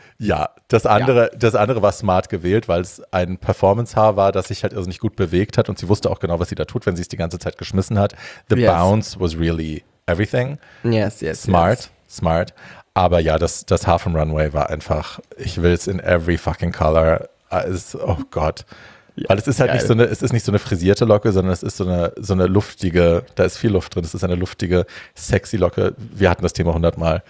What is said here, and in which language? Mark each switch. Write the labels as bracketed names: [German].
[German] Ja, das andere war smart gewählt, weil es ein Performance-Haar war, das sich halt irrsinnig gut bewegt hat. Und sie wusste auch genau, was sie da tut, wenn sie es die ganze Zeit geschmissen hat. [English] The bounce was really everything. Yes, yes, smart, yes. Smart. [German] Aber ja, das Haar vom Runway war einfach, ich will es [English] in every fucking color. [German] Oh Gott. Ja, weil es ist halt geil. nicht so eine frisierte Locke, sondern es ist so eine luftige, da ist viel Luft drin. Es ist eine luftige, sexy Locke. Wir hatten das Thema 100 Mal.